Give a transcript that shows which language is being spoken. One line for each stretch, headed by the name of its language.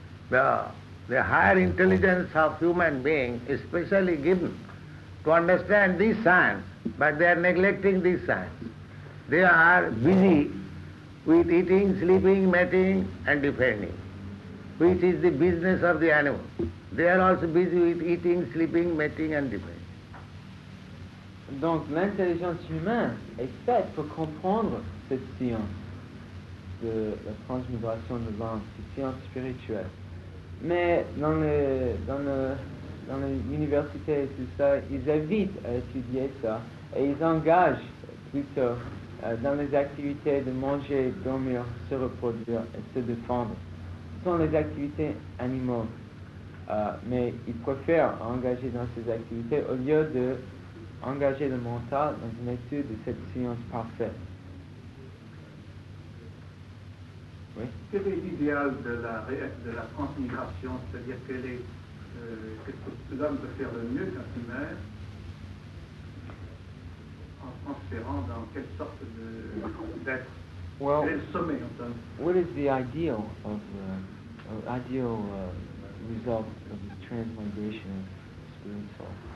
English: The higher intelligence of human being is specially given to understand this science, but they are neglecting this science. They are busy with eating, sleeping, mating and defending, which is the business of the animal. They are also busy with eating, sleeping, mating and defending.
French: Donc l'intelligence humaine est faite pour comprendre cette science de la transmigration de l'âme, cette science spirituelle. Mais dans les universités et tout ça, ils évitent à étudier ça et ils engagent plutôt dans les activités de manger, dormir, se reproduire et se défendre. Ce sont les activités animales. Mais il préfère engager dans ces activités au lieu d'engager le mental dans une étude de cette science parfaite. Oui? Quel est l'idéal de la transmigration, c'est-à-dire qu'est-ce que l'homme peut faire le mieux quand il meurt en transférant dans quelle sorte d'être, quel est le sommet en termes?
English: What is the ideal of ideal result of the transmigration of the spirit soul?